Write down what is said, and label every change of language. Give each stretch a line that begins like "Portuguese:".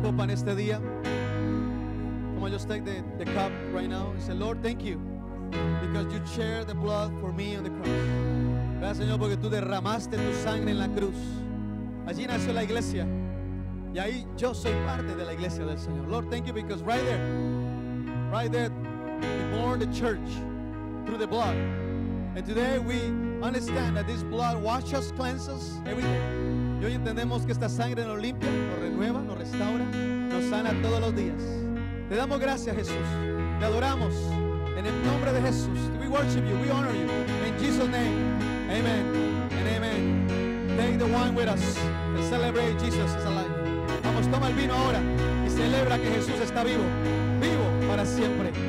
Spanish: Este día,
English: come on, just take the cup right now and say, Lord, thank you because you shared the blood for me on the cross.
Spanish: Gracias, Señor, porque tú derramaste tu sangre en la cruz. Allí nació la iglesia y ahí yo soy parte de la iglesia del Señor.
English: Lord, thank you because right there, we born the church through the blood. And today we understand that this blood washes, cleanses everything.
Spanish: Y hoy entendemos que esta sangre nos limpia, nos renueva, nos restaura, nos sana todos los días. Te damos gracias, Jesús. Te adoramos en el nombre de Jesús.
English: We worship you, we honor you. In Jesus' name, amen and amen. Take the wine with us and celebrate Jesus is alive.
Spanish: Vamos, toma el vino ahora y celebra que Jesús está vivo, vivo para siempre.